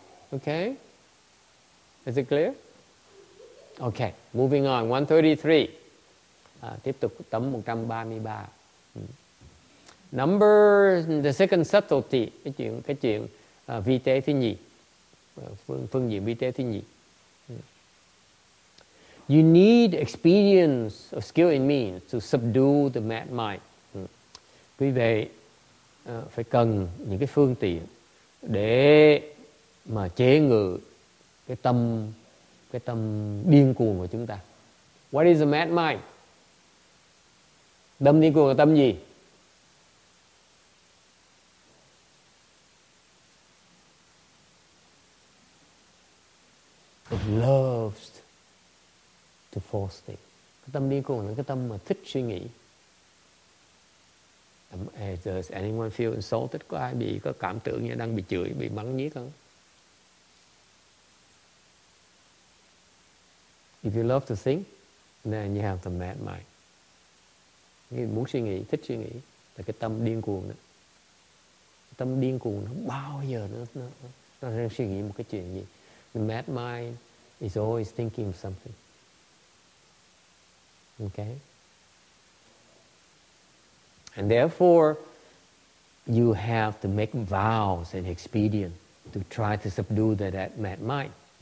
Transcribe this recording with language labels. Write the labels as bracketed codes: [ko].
[en] Okay? Is it clear? Okay, moving on. [vi] 133. Tiếp tục tấm 133. [en] Number, the second subtlety. [vi] Cái chuyện vi tế thứ nhì. Phương diện vi tế thứ nhì. [en] You need experience of skill and means to subdue the mad mind. [vi] Quý vị phải cần những cái phương tiện để mà chế ngự cái tâm điên cuồng của chúng ta. [en] What is a mad mind? [vi] Tâm điên cuồng là tâm gì? [en] It loves to force things. [vi] Cái tâm điên cuồng là cái tâm mà thích suy nghĩ. [en] Does anyone feel insulted? [vi] Có ai bị có cảm tưởng như đang bị chửi, bị mắng nhiếc không? [en] If you love to think, then you have the mad mind. [vi] Nghĩa muốn suy nghĩ, thích suy nghĩ, là cái tâm điên cuồng đó. Tâm điên cuồng nó bao giờ nó đang suy nghĩ một cái chuyện gì? [en] The mad mind is always thinking of something. Okay? And therefore, you have to make vows and expedient to try to subdue that mad mind.